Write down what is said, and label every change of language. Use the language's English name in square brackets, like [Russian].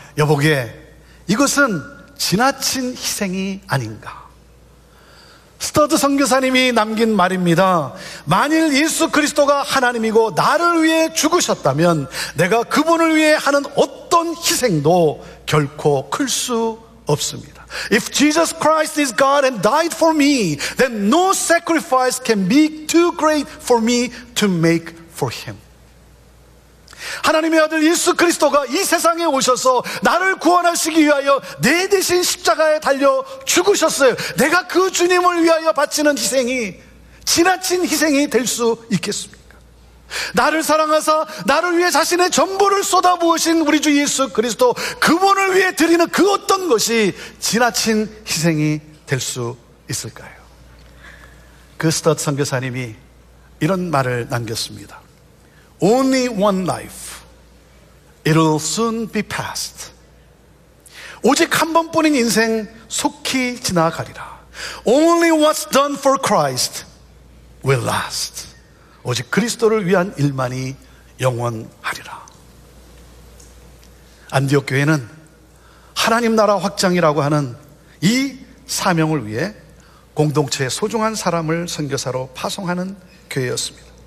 [Korean] 여보게, 이것은 지나친 희생이 아닌가? 스터드 선교사님이 남긴 말입니다. 만일 예수 그리스도가 하나님이고 나를 위해 죽으셨다면 내가 그분을 위해 하는 어떤 희생도 결코 클 수 없습니다. [English] If Jesus Christ is God and died for me, then no sacrifice can be too great for me to make for him. [Korean] 하나님의 아들 예수 그리스도가 이 세상에 오셔서 나를 구원하시기 위하여 내 대신 십자가에 달려 죽으셨어요. 내가 그 주님을 위하여 바치는 희생이 지나친 희생이 될 수 있겠습니까? 나를 사랑하사 나를 위해 자신의 전부를 쏟아부으신 우리 주 예수 그리스도, 그분을 위해 드리는 그 어떤 것이 지나친 희생이 될 수 있을까요? 그 스타트 선교사님이 이런 말을 남겼습니다. [English] Only one life. It'll soon be past. [Korean] 오직 한 번뿐인 인생 속히 지나가리라. [English] Only what's done for Christ will last. [Korean] 오직 그리스도를 위한 일만이 영원하리라. 안디옥 교회는 하나님 나라 확장이라고 하는 이 사명을 위해 공동체의 소중한 사람을 선교사로 파송하는 교회였습니다.